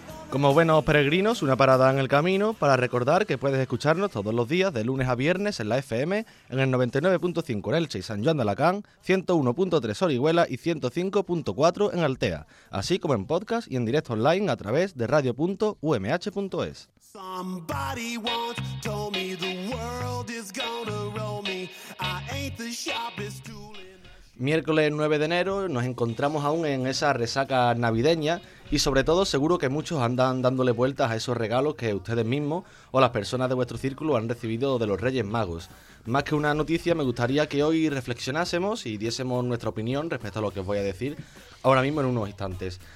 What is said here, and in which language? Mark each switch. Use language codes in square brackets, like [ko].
[es] Como buenos peregrinos, una parada en el camino para recordar que puedes escucharnos todos los días de lunes a viernes en la FM, en el 99.5 en Elche y San Juan de Alacant, 101.3 Orihuela y 105.4 en Altea, así como en podcast y en directo online a través de radio.umh.es. [en] Somebody once told me the world is gonna roll me. I ain't the sharpest tool. [es] Miércoles 9 de enero, nos encontramos aún en esa resaca navideña y sobre todo seguro que muchos andan dándole vueltas a esos regalos que ustedes mismos o las personas de vuestro círculo han recibido de los Reyes Magos. Más que una noticia, me gustaría que hoy reflexionásemos y diésemos nuestra opinión respecto a lo que os voy a decir ahora mismo en unos instantes.